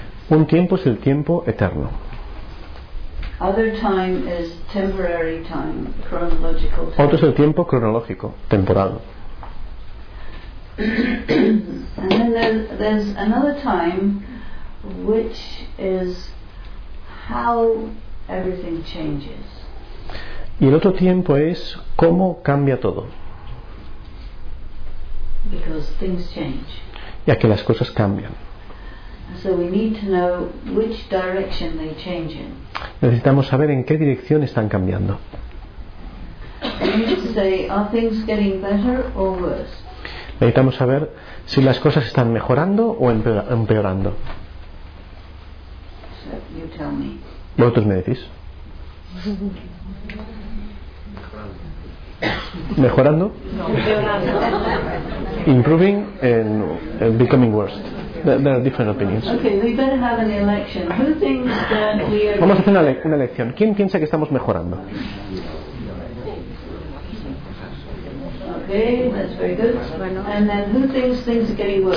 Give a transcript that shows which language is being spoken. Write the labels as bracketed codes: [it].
[es] Un tiempo es el tiempo eterno. [en] Other time is temporary time, chronological time. [es] Otro es el tiempo cronológico, temporal. [en] And then there's another time, which is how everything changes. [es] Y el otro tiempo es cómo cambia todo. [en] Because things change. [es] Ya que las cosas cambian. [en] So we need to know which direction they change in. [es] Necesitamos saber en qué dirección están cambiando. [en] Say, are things getting better or worse? [es] Necesitamos saber si las cosas están mejorando o empeorando. [en] So you tell me. [es] ¿Vosotros me decís? ¿Mejorando? No. [en] Improving and becoming worse. There are different opinions. Okay, we better have an election. Who thinks that we are... [es] Vamos a hacer una elección. ¿Quién piensa que estamos mejorando? [en] Okay, that's very good. And then who thinks things are getting worse?